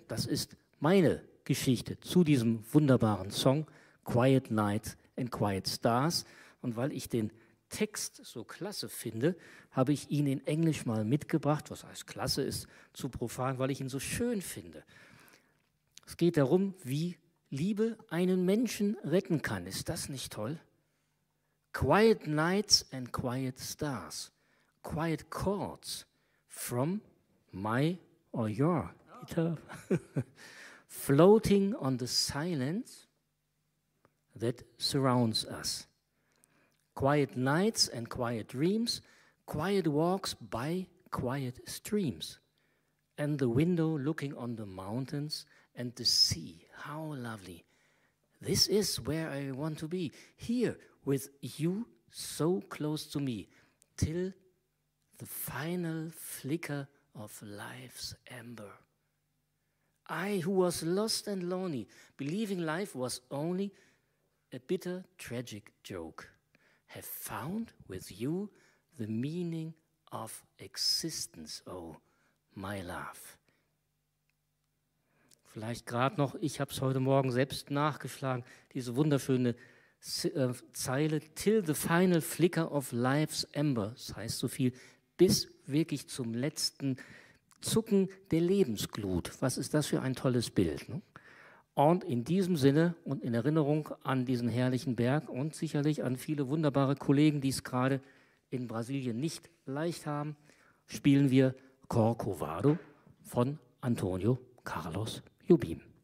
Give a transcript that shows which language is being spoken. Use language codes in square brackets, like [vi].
[de] Das ist meine Geschichte zu diesem wunderbaren Song Quiet Nights and Quiet Stars. Und weil ich den Text so klasse finde, habe ich ihn in Englisch mal mitgebracht. Was heißt klasse, ist zu profan, weil ich ihn so schön finde. Es geht darum, wie Liebe einen Menschen retten kann. Ist das nicht toll? [en] Quiet nights and quiet stars. Quiet chords from my or your guitar. Floating on the silence that surrounds us. Quiet nights and quiet dreams. Quiet walks by quiet streams. And the window looking on the mountains and the sea. How lovely. This is where I want to be. Here with you so close to me. Till the final flicker of life's ember. I, who was lost and lonely, believing life was only a bitter, tragic joke, have found with you the meaning of existence, oh, my love. [de] Vielleicht gerade noch, ich habe es heute Morgen selbst nachgeschlagen, diese wunderschöne Zeile, [en] till the final flicker of life's ember, [de] das heißt so viel, bis wirklich zum letzten Zucken der Lebensglut. Was ist das für ein tolles Bild? Ne? Und in diesem Sinne und in Erinnerung an diesen herrlichen Berg und sicherlich an viele wunderbare Kollegen, die es gerade in Brasilien nicht leicht haben, spielen wir Corcovado von Antonio Carlos Jobim.